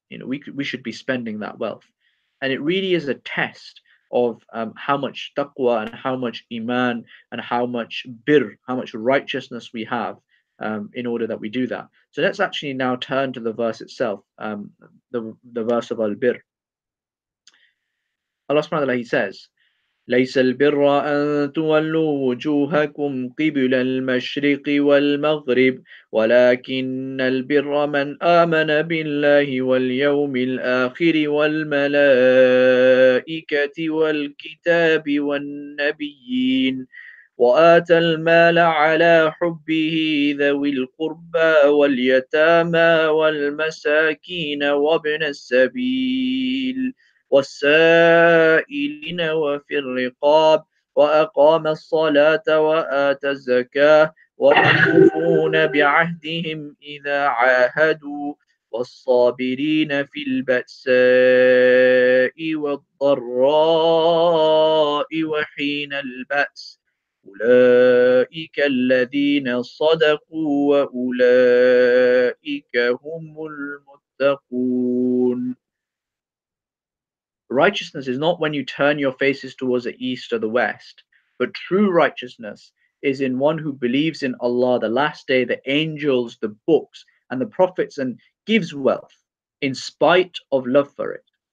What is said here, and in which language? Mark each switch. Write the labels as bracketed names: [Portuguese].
[English] You know, we should be spending that wealth. And it really is a test of how much taqwa and how much iman and how much birr, how much righteousness we have in order that we do that. So let's actually now turn to the verse itself, the verse of al-birr. [Arabic] Allah subhanahu wa ta'ala, [English] he says, [Arabic] لَيْسَ الْبِرَّ أَن تُوَلُّوا وُجُوهَكُمْ قِبْلَ الْمَشْرِقِ وَالْمَغْرِبِ وَلَكِنَّ الْبِرَّ مَنْ آمَنَ بِاللَّهِ وَالْيَوْمِ الْآخِرِ وَالْمَلَائِكَةِ وَالْكِتَابِ وَالنَّبِيِّينَ وَآتَى الْمَالَ عَلَى حُبِّهِ ذَوِي الْقُرْبَى وَالْيَتَامَى وَالْمَسَاكِينَ وَابْنَ السَّبِيلِ والسائلين وفي الرقاب وأقام الصلاة وآتى الزكاة والموفون بعهدهم إذا عاهدوا والصابرين في البأساء والضراء وحين البأس أولئك الذين صدقوا وأولئك هم المتقون. [English] Righteousness is not when you turn your faces towards the east or the west, but true righteousness is in one who believes in Allah, the last day, the angels, the books, and the prophets, and gives wealth in spite of love for it.